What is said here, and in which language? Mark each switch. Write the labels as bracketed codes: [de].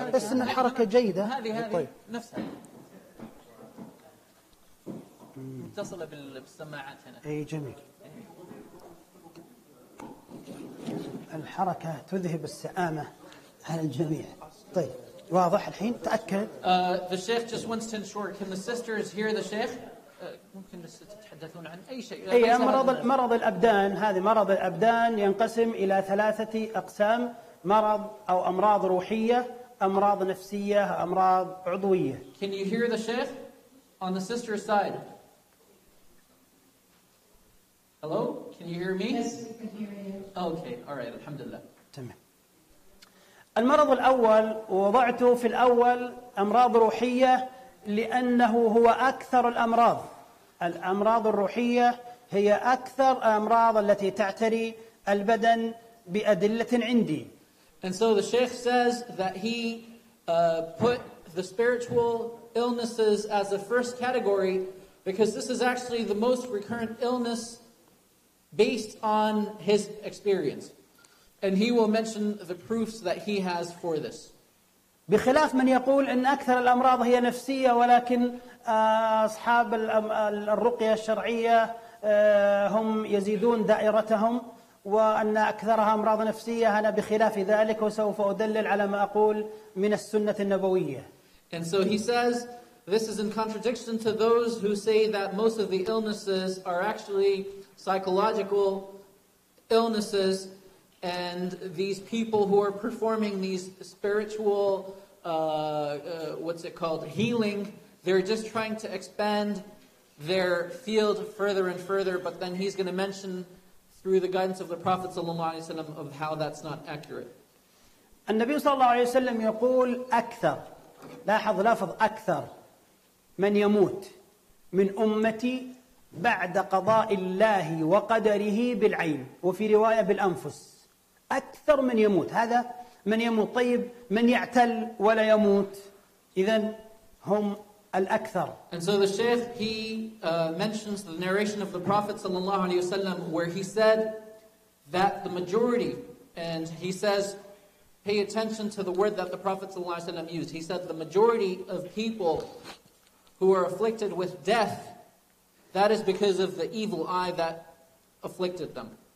[ar] بس إن الحركة جيدة. هذه نفسها. متصلة بالسماعات هنا. أي جميل. الحركة تذهب السآمة على الجميع. طيب. واضح الحين تأكد. [en] The Sheikh just wants to ensure. Can the sisters hear the Sheikh? [ar] ممكن تتحدثون عن أي شيء. أي مرض الأبدان. هذه مرض الأبدان ينقسم إلى ثلاثة أقسام: مرض أو أمراض روحية، أمراض نفسية، أمراض عضوية. [en] Can you hear the Sheikh on the sister's side? Hello, can you hear me? Yes, we can hear you. Okay, all right, [ar] الحمد لله. تمام. المرض الأول وضعته في الأول أمراض روحية لأنه هو أكثر الأمراض. الأمراض الروحية هي أكثر الأمراض التي تعتري البدن بأدلة عندي. [en] And so the Sheikh says that he put the spiritual illnesses as the first category because this is actually the most recurrent illness based on his experience. And he will mention the proofs that he has for this. [ar] بخلاف من يقول إن أكثر الأمراض هي نفسية ولكن أصحاب الرقية الشرعية هم يزيدون دائرتهم وأن أكثرها أمراض نفسية أنا بخلاف ذلك وسوف أدلل على ما أقول من السنة النبوية. [en] And so he says this is in contradiction to those who say that most of the illnesses are actually psychological illnesses. And these people who are performing these spiritual, what's it called, healing, they're just trying to expand their field further and further. But then he's going to mention, through the guidance of the Prophet ﷺ, of how that's not accurate. [ar] النبي صلى الله عليه وسلم يقول أكثر. لاحظ لفظ أكثر من يموت من أمتي بعد قضاء الله وقدره بالعين وفي رواية بالأنفس. أكثر من يموت هذا من يموت طيب من يعتل ولا يموت إذن هم الأكثر. [en] And so the Sheikh he mentions the narration of the Prophet sallallahu alaihi wasallam where he said that the majority and he says pay attention to the word that the Prophet sallallahu alaihi wasallam used. He said the majority of people who are afflicted with death that is because of the evil eye that afflicted them.